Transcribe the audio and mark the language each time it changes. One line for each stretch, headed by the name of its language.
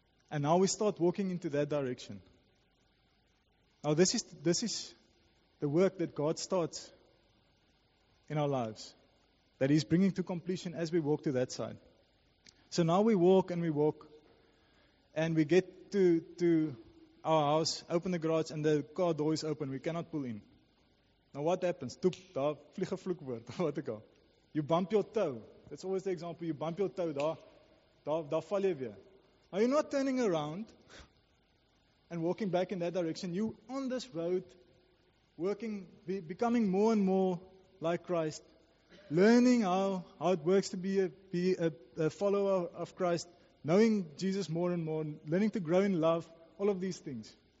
English: And now we start walking into that direction. Now this is the work that God starts in our lives, that he's bringing to completion as we walk to that side. So now we walk, and we get to our house, open the garage, and the car door is open. We cannot pull in. Now what happens?
Afrikaans: Toep, daar vlieg 'n vloek oor, wat ek al.
English: You bump your toe. That's always the example. You bump your toe,
Afrikaans: daar val jy weer.
English: Now you're not turning around and walking back in that direction. You on this road, working, becoming more and more like Christ, learning how it works to be a follower of Christ, knowing Jesus more and more, learning to grow in love, all of these things.